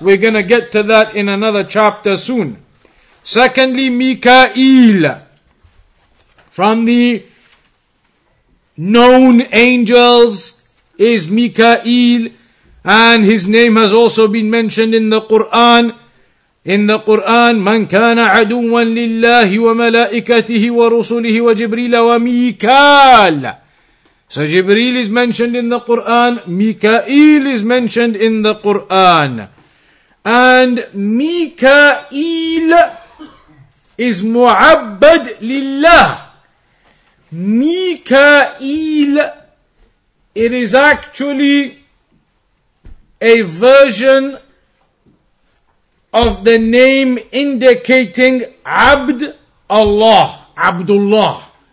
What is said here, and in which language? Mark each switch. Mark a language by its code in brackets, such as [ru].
[en] We're going to get to that in another chapter soon. Secondly, Mikael, from the known angels, is Mikael, and his name has also been mentioned in the Quran. In the Quran, [ar] من كان عدوا لله وملائكته ورسله وجبريل وميكال. [en] So Jibreel is mentioned in the Quran, Mikael is mentioned in the Quran. And Mikael is mu'abbad lillah. Mikael, it is actually a version of the name indicating abd Allah, Abdullah.